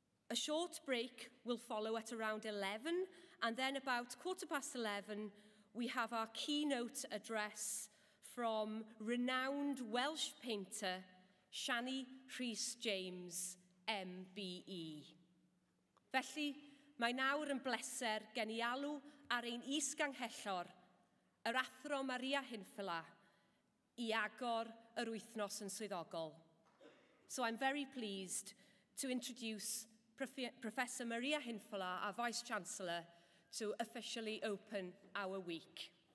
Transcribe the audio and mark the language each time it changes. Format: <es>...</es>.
<en>A short break will follow at around 11, and then about 11:15, we have our keynote address from renowned Welsh painter, Siani Rhys James, MBE.</en> <cy>Felly, mae nawr yn bleser gen I alw ar ein isganghellor, yr athro Maria Hinfelaar, I agor yr wythnos yn swyddogol.</cy> <en>So I'm very pleased to introduce Professor Maria Hinfelaar, our Vice-Chancellor, to officially open our week.</en>